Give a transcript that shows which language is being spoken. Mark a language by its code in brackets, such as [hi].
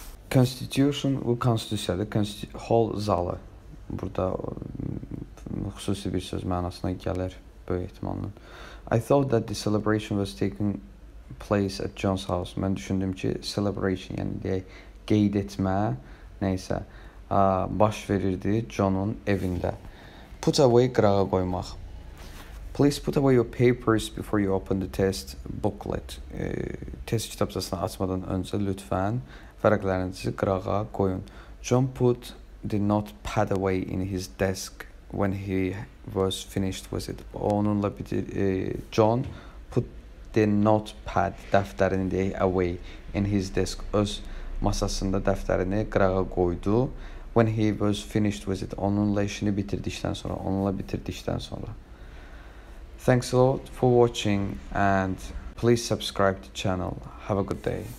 [az] Constitution, bu konstitusiyadır, hall zalı. Burada xüsusi bir söz mənasına gəlir böyük ehtimalla. [en] I thought that the celebration was taking place at John's house. [az] Mən düşündüm ki, celebration, yəni deyək, qeyd etmə, nəysə, baş verirdi John'un evində. Put away qırağa qoymaq. [en] Please put away your papers before you open the test booklet. [az] Test kitabçasını açmadan öncə lütfən vərəqlərinizi qırağa qoyun. [en] John put the notepad away in his desk when he was finished with it. [az] Onunla bitir, [en] John put the notepad, [az] dəftərini deyək, [en] away in his desk. [az] Öz masasında dəftərini qırağa qoydu. [en] When he was finished with it, [az] onunla işini bitirdikdən sonra, [en] Thanks a lot for watching and please subscribe to the channel. Have a good day.